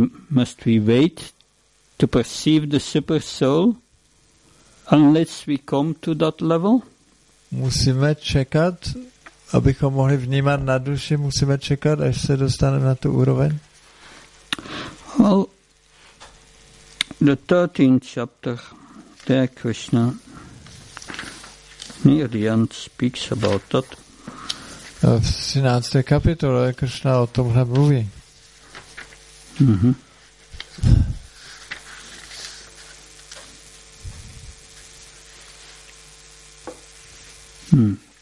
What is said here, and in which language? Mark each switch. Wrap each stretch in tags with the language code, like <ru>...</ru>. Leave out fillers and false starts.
<en>Must we wait to perceive the super soul unless we come to that level?</en> <cs>Musíme čekat, abychom mohli vnímat na duši, musíme čekat, až se dostaneme na tu úroveň.</cs> <en>Well, the 13th chapter, there Krishna near the end speaks about that.</en> <cs>V 13. kapitole Krishna o tomhle mluví. Mhm. Hm.</cs>